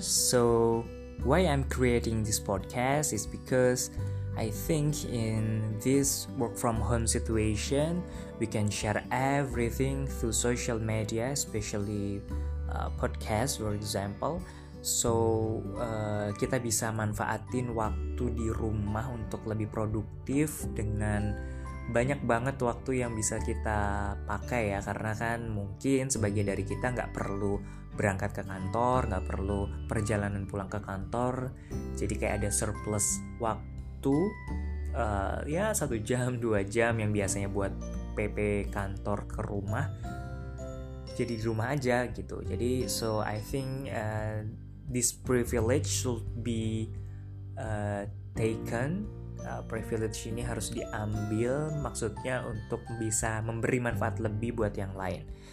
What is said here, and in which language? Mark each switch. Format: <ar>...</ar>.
<en>So why I'm creating this podcast is because I think in this work from home situation, we can share everything through social media, especially podcast for example.</en> <id>So kita bisa manfaatin waktu di rumah untuk lebih produktif dengan banyak banget waktu yang bisa kita pakai ya, karena kan mungkin sebagian dari kita nggak perlu berangkat ke kantor, nggak perlu perjalanan pulang ke kantor, jadi kayak ada surplus waktu ya 1 jam, 2 jam yang biasanya buat PP kantor ke rumah, jadi di rumah aja gitu.</id> <en>Jadi so I think this privilege should be taken.</en> <id>Privilege ini harus diambil, maksudnya untuk bisa memberi manfaat lebih buat yang lain.</id>